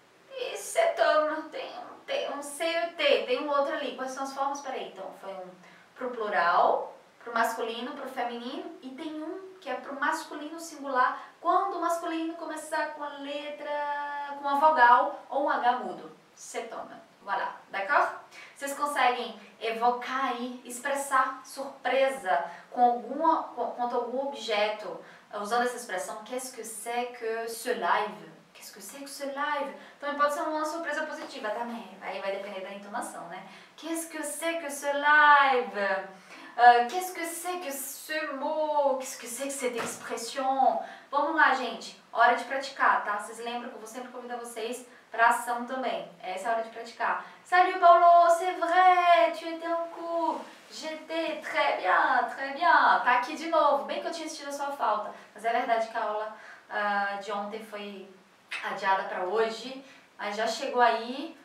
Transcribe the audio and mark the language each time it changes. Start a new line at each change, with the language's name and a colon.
Portuguese: e cet homme, tem um se e t, tem um outro ali, quais são as formas, peraí, então, foi um pro plural, pro masculino, pro feminino, e tem um que é pro masculino singular, quando o masculino começar com a letra, com a vogal, ou um H mudo, cet homme.
French: Voilà, d'accord?
Portuguese: Vocês conseguem evocar aí, expressar surpresa com alguma, quanto algum objeto usando essa expressão?
French: Qu'est-ce que c'est que ce live? Qu'est-ce que c'est que ce live?
Portuguese: Também pode ser uma surpresa positiva também, aí vai depender da entonação, né?
French: Qu'est-ce que c'est que ce live? Qu'est-ce que c'est que ce mot? Qu'est-ce que c'est que cette expression?
Portuguese: Vamos lá, gente, hora de praticar, tá? Vocês lembram que eu vou sempre convidar vocês pra ação também. Essa é a hora de praticar.
French: Salut Paulo, c'est vrai, tu étais en cours. J'étais très bien, très bien.
Portuguese: Tá aqui de novo, bem que eu tinha sentido a sua falta. Mas é verdade que a aula de ontem foi adiada pra hoje. Mas já chegou aí,